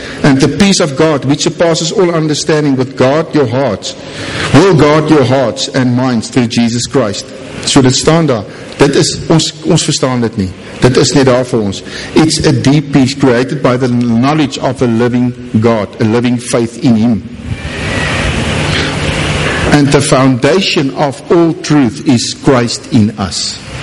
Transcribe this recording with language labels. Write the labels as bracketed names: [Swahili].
[English] And the peace of God which surpasses all understanding with God your hearts will guard your hearts and minds through Jesus Christ. [Afrikaans] So dit staan daar. Dit is, ons verstaan dit nie. Dit is net daar vir ons. [English] It's a deep peace created by the knowledge of a living God, a living faith in Him. And the foundation of all truth is Christ in us.